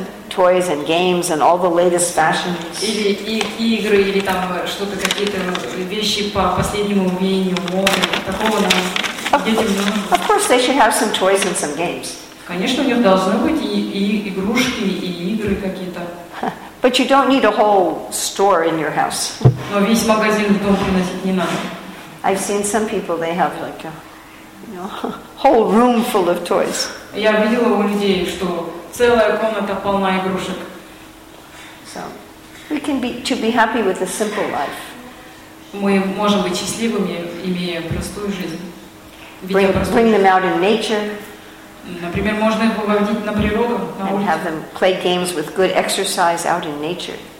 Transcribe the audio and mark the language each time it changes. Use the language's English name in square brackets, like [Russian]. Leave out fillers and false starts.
[English] toys and games and all the latest fashions. [Russian] Или игры или там что-то какие-то вещи по последнему мнению моды такого нам детям не нужно. [English] Of course, they should have some toys and some games. [Russian] Конечно, у них должны быть и игрушки и игры какие-то. [English] But you don't need a whole store in your house. [Russian] Но весь магазин в дом приносить не надо. [English] I've seen some people, they have like a, you know, whole room full of toys. [Russian] Я видела у людей, что целая комната полна игрушек. [English] So, we can be to be happy with a simple life. [Russian] Мы можем быть счастливыми, имея простую жизнь. [English] Bring them out in nature. [Russian] Например, можно их выводить на природу, на улицу. [English] And have them play games with good exercise out in nature.